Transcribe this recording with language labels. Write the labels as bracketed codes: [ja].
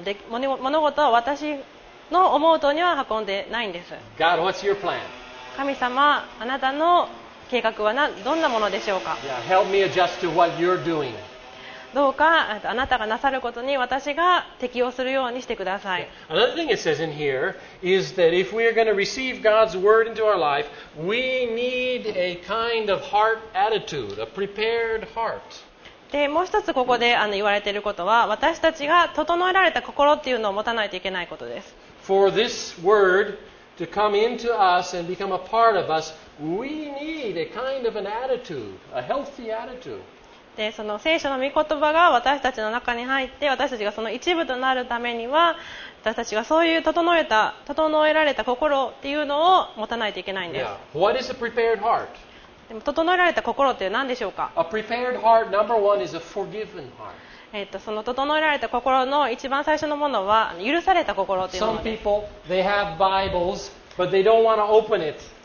[ja] 物事は私の思うとには運んでないんです。 [en] God, what's your plan? [ja] 神様、あなたの計画はどんなものでしょうか? [en] Yeah, help me adjust to what you're doing. [ja] どうかあなたがなさることに私が適応するようにしてください。 [en] Yeah. Another thing it says in here is that if we are going to receive God's word into our life, we need a kind of heart attitude, a prepared heart. [ja] でもう一つここで言われていることは私たちが整えられた心っていうのを持たないといけないことです。 [en] For this word to come into us and become a part of us, we need a kind of an attitude, a healthy attitude. [ja] でその聖書の御言葉が私たちの中に入って私たちがその一部となるためには私たちがそういう整えられた心っていうのを持たないといけないんです。 [en] Yeah. What is a prepared heart? [ja] でも整えられた心って何でしょうか? [en] A prepared heart, number one, is a forgiven heart. [ja] その整えられた心の一番最初のものは許された心というものです。 [en] Some people, they have Bibles, but they don't want to open it.